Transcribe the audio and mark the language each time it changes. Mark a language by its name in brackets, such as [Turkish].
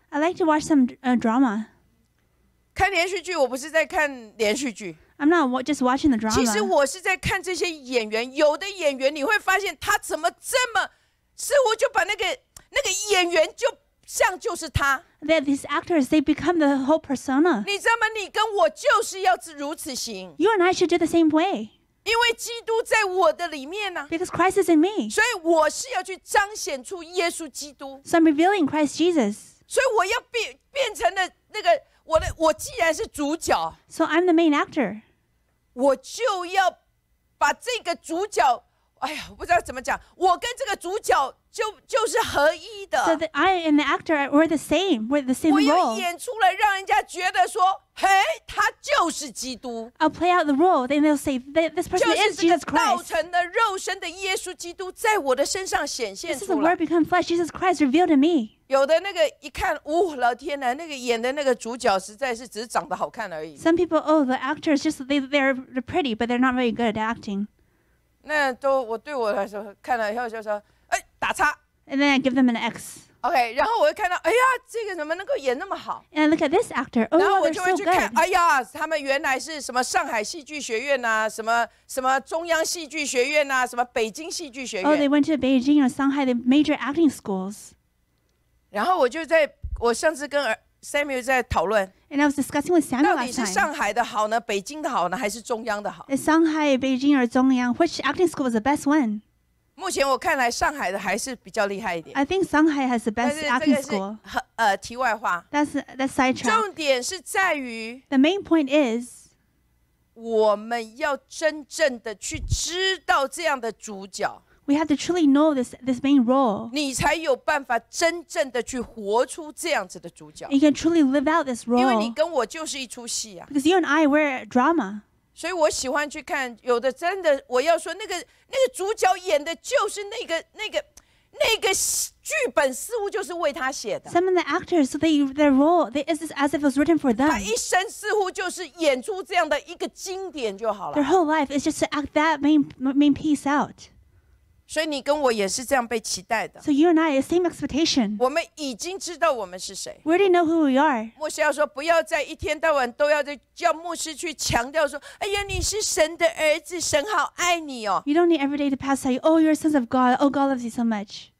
[English] I like to watch some drama. [Chinese] 看连续剧，我不是在看连续剧。 [English] I'm not just watching the drama. [Chinese] 其实我是在看这些演员，有的演员你会发现他怎么这么，似乎就把那个演员就像就是他。 [English] That these actors, they become the whole persona. [Chinese] 你知道吗？你跟我就是要如此行。 [English] You and I should do the same way. [Chinese] 因为基督在我的里面呢、啊、 [English] ，Because Christ is in me， [Chinese] 所以我是要去彰显出耶稣基督。 [English] So I'm revealing Christ Jesus。 [Chinese] 所以我要变成了那个我既然是主角 [English] ，So I'm the main actor。 [Chinese] 我就要把这个主角，哎呀，不知道怎么讲，我跟这个主角就是合一的。 [English] So I and the actor were the same, were the same role。 [Chinese] 我要演出来，让人家觉得说。 Hey, 他就是基督。 [English] I'll play out the role, then they'll say this person is Jesus Christ. [Chinese] 就是这个道成的肉身的耶稣基督在我的身上显现出来。 [English] This is the word become flesh, Jesus Christ revealed in me. [Chinese] 有的那个一看，哦，老天哪，那个演的那个主角实在是只是长得好看而已。 [English] Some people, oh, the actors just they're pretty, but they're not very good at acting. [Chinese] 那都我对我来说看了以后就说，哎，打叉。 [English] And then I give them an X. [Chinese] OK， 然后我会看到，哎呀，这个怎么能够演那么好 [English] ？And look at this actor. Oh, they're so good. [Chinese] 然后我就会去看，哎呀，他们原来是什么上海戏剧学院呐、啊，什么什么中央戏剧学院呐、啊，什么北京戏剧学院。 [English] Oh, they went to Beijing or Shanghai, the major acting schools. [Chinese] 然后我上次跟Samuel 在讨论。 [English] And I was discussing with Samuel last time. [Chinese] 到底是上海的好呢，北京的好呢，还是中央的好 [English] ？Is Shanghai, Beijing, or 中央 ？Which acting school is the best one? [Chinese] 目前我看来上海的还是比较厉害一点。 [English] I think Shanghai has the best acting school. [Chinese] 题外话。 [English] That's side track. [Chinese] 重点是在于。 [English] The main point is, [Chinese] 我们要真正的去知道这样的主角。 [English] We have to truly know this main role. [Chinese] 你才有办法真正的去活出这样子的主角。 [English] You can truly live out this role. [Chinese] 因为你跟我就是一出戏啊。 [English] Because you and I were drama. [Chinese] 所以我喜欢去看，有的真的，我要说那个主角演的就是那个剧本，似乎就是为他写的。 [English] Some of the actors, so their role, they is as if it was written for them. [Chinese] 他一生似乎就是演出这样的一个经典就好了。 [English] Their whole life is just to act that main piece out. [Chinese] 所以你跟我也是这样被期待的。 [English] So you and I, same expectation. [Chinese] 我们已经知道我们是谁。 [English] We already know who we are. [Chinese] 牧师要说，不要再一天到晚都要在叫牧师去强调说，哎呀，你是神的儿子，神好爱你哦。 [English] You don't need every day to pass out, oh, you're sons of God, oh, God loves you so much.